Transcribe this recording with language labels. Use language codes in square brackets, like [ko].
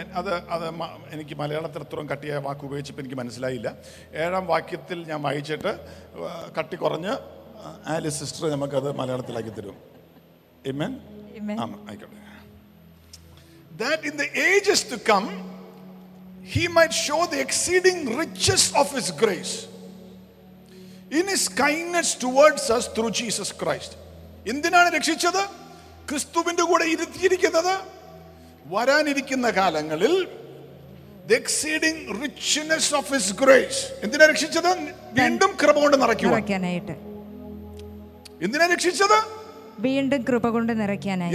[ml] അത് അത് എനിക്ക് മലയാളത്തിൽ അത്രയും കട്ടിയായ വാക്ക് ഉപയോഗിച്ചപ്പോൾ എനിക്ക് മനസ്സിലായില്ല. ഏഴാം വാക്യത്തിൽ ഞാൻ വായിച്ചിട്ട് കട്ടി കുറഞ്ഞ് ആലി സിസ്റ്റർ നമുക്കത് മലയാളത്തിലാക്കി തരും. ആമേൻ. ആമേൻ. ആയിക്കോട്ടെ. [en] That in the ages to come, he might show the exceeding riches of his grace in his kindness towards us through Jesus Christ. [ml] എന്തിനാണ് രക്ഷിച്ചത്? ക്രിസ്തുവിന്റെ കൂടെ ഇരുത്തിയിരിക്കുന്നത് വരാനിരിക്കുന്ന കാലങ്ങളിൽ [en] the exceeding richness of his grace. [ml] എന്തിനാ രക്ഷിച്ചത്? വീണ്ടും കൃപ കൊണ്ട് നിറയ്ക്കാനായിട്ട്. എന്തിനാ രക്ഷിച്ചത്? വീണ്ടും കൃപ കൊണ്ട് നിറയ്ക്കാനായി.